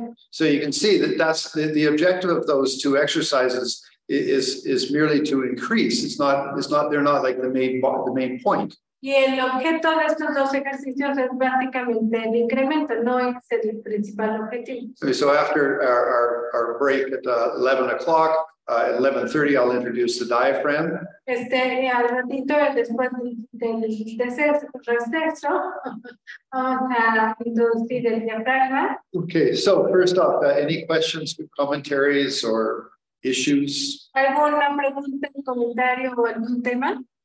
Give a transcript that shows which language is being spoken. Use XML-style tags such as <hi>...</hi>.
<en>So you can see that's the objective of those two exercises is merely to increase. It's not they're not like the main point.</en> <es>Y el objeto de estos dos ejercicios es básicamente el incremento, no es el principal objetivo.</es> <en>Okay, so after our break at 11 o'clock, 11:30, I'll introduce the diaphragm.</en> <es>Al ratito, después del receso, vamos a introducir el diafragma.</es> <en>Okay, so first off, any questions, commentaries, or issues?</en> <es>¿Alguna pregunta, comentario, o algún tema?</es>